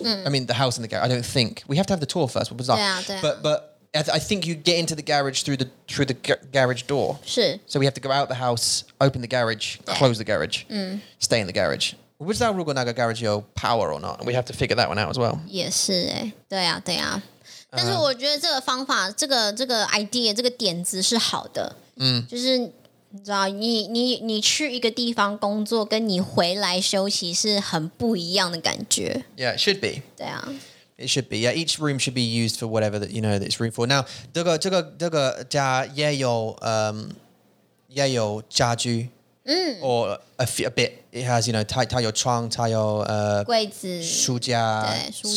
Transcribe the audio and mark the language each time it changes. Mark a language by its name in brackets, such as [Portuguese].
[English] I mean, the house and the garage. I don't think we have to have the tour first. [Chinese] 不知道。对啊， [English] But I think you get into the garage through the garage door. [Chinese] 是。 [English] So we have to go out the house, open the garage, close the garage, stay in the garage. [Chinese] 我不知道如果那个 [English] garage 有 power or not. We have to figure that one out as well. [Chinese] 也是欸，对啊，对啊。但是我觉得这个方法，这个 idea, 这个点子是好的。嗯，就是你知道，你去一个地方工作，跟你回来休息是很不一样的感觉。 [English] Yeah, it should be. [Chinese] 对啊。 [English] It should be. Yeah, each room should be used for whatever that you know that it's room for. Now, [Chinese] 这个家也有也有家具。 [English] Or a bit. It has, you know, [Chinese] 它有窗，它有柜子，书架，对，